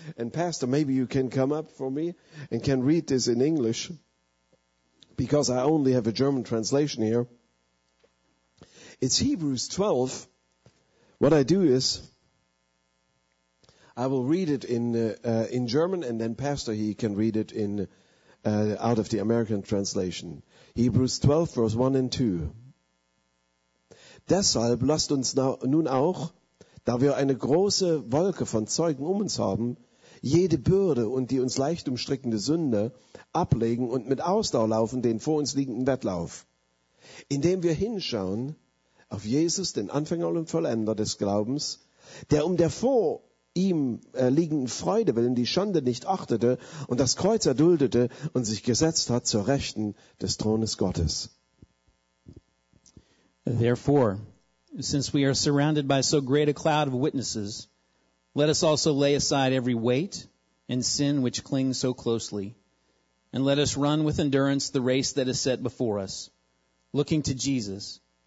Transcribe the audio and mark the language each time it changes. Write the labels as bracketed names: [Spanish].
[English] And Pastor, maybe you can come up for me and can read this in English, because I only have a German translation here. It's Hebrews 12. What I do is, I will read it in German, and then Pastor, he can read it in out of the American translation. Hebrews 12, verse 1 and 2. [German] Deshalb lasst uns nun auch, da wir eine große Wolke von Zeugen um uns haben, jede Bürde und die uns leicht umstrickende Sünde ablegen und mit Ausdauer laufen den vor uns liegenden Wettlauf, indem wir hinschauen auf Jesus, den Anfänger und Vollender des Glaubens, der um der vor ihm liegenden Freude willen die Schande nicht achtete und das Kreuz erduldete und sich gesetzt hat zur Rechten des Thrones Gottes. [English] Therefore, since we are surrounded by so great a cloud of witnesses, let us also lay aside every weight and sin which clings so closely, and let us run with endurance the race that is set before us, looking to Jesus,